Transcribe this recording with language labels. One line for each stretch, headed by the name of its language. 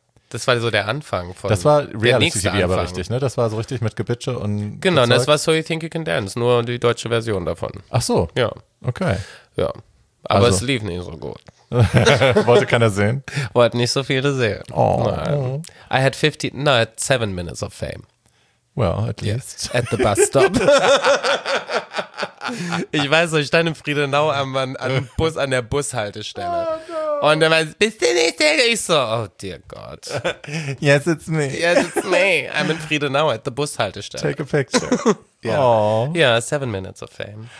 German: Das war so der Anfang von. Das war Reality TV aber richtig, ne? Das war so richtig mit Gebitsche und. Genau, das war So You Think You Can Dance, nur die deutsche Version davon. Ach so. Ja. Okay. Ja. Aber also, es lief nicht so gut. Wollte keiner sehen? Wollte nicht so viele sehen. Oh.
English: Nein. I had 7 minutes of fame. Well, at least. At the bus stop.
German: Ich weiß, ich stand in Friedenau an der Bushaltestelle.
English: Oh, no.
German: Und dann war, bist du nicht der? Ich so,
English: oh dear God. Yes, it's me. Yes, it's me. I'm in Friedenau at the Bushaltestelle. Take a picture.
German: Ja,
English: yeah. Oh. Yeah, 7 Minutes of Fame.